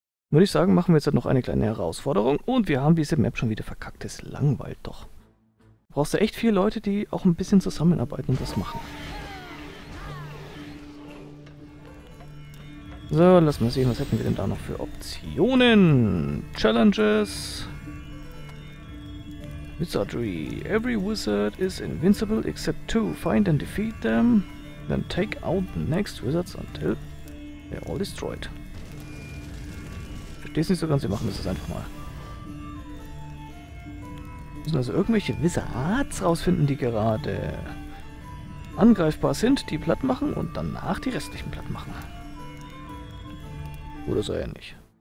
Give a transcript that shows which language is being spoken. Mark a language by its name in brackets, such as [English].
[German] Würde ich sagen, machen wir jetzt noch eine kleine Herausforderung und wir haben diese Map schon wieder verkackt. Es langweilt doch. Brauchst du echt viele Leute, die auch ein bisschen zusammenarbeiten und das machen. So, lass mal sehen, was hätten wir denn da noch für Optionen? [English] Challenges. Wizardry. Every wizard is invincible except two. Find and defeat them, then take out the next wizards until they're all destroyed. [German] Versteh's nicht so ganz, wir machen das einfach mal. Wir müssen also irgendwelche Wizards rausfinden, die gerade angreifbar sind, die platt machen und danach die restlichen platt machen. Oder so ähnlich.